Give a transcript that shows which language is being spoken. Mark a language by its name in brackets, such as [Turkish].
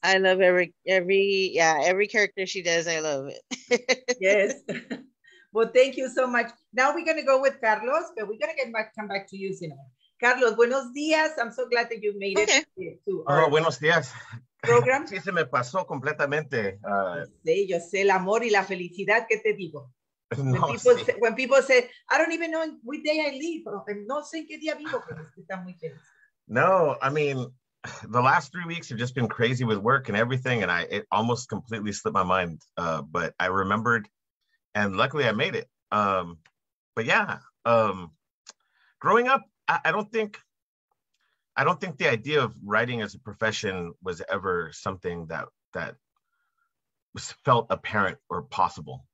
[English] I love every character she does, I love it. Yes. Well, thank you so much. Now we're going to go with Carlos, but we're going to come back to you soon. Carlos, buenos dias. I'm so glad that you made it to our buenos dias. Program. [Spanish] Sí, se me pasó completamente. Yo sé, el amor y la felicidad, ¿qué te digo? [English] When people say, I don't even know what day I leave. [Spanish] No sé qué día vivo, pero es que está muy feliz. [English] No, I mean, the last 3 weeks have just been crazy with work and everything, and it almost completely slipped my mind. But I remembered, and luckily I made it. Growing up, I don't think the idea of writing as a profession was ever something that was felt apparent or possible.